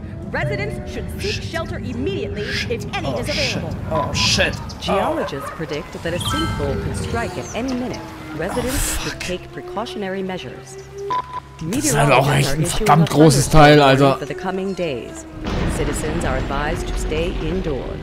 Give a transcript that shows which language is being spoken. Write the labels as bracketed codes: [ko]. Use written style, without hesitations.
[en] Residents should seek shelter immediately if any is available. Oh shit. Geologists predict that a sinkhole could strike at any minute. Residents should take precautionary measures. [de] Das ist auch echt ein verdammt großes Teil, Alter. [en] For the coming days, citizens are advised to stay indoors.